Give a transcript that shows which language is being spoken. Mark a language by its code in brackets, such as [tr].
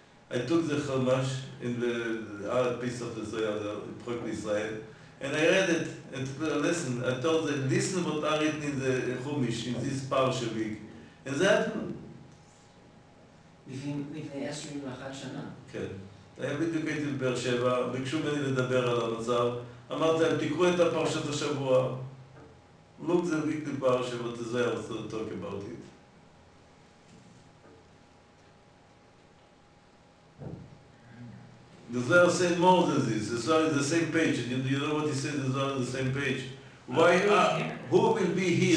[en] I took the Chumash in the piece of the Zohar, the Prophet Israel, and I read it, and listen, I told them, listen what are written in the Chumash, in this Parsha week. And that happened. [he] Lifnei Esrim Lachat Shana. [en] Okay. I am educated in [he] Be'er Sheva, ביקשו ממני לדבר על המצב. אמרתי להם, תקראו את הפרשת השבוע. [en] Look the week in Parsha, what is there, so talk about it. The Zohar said more than this. The Zohar is the same page. You know what he said? The Zohar is the same page. Why? Who will be here?